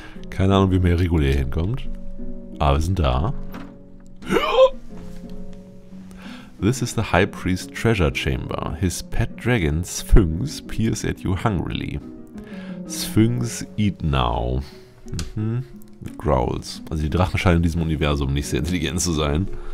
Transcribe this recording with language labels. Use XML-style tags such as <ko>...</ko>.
<de>Keine Ahnung, wie mehr regulär hinkommt. Aber wir sind da.</de> <en>This is the High Priest Treasure Chamber. His pet dragon, Sphinx, peers at you hungrily. Sphinx, eat now. Growls.</en> <de>Also die Drachen scheinen in diesem Universum nicht sehr intelligent zu sein.</de>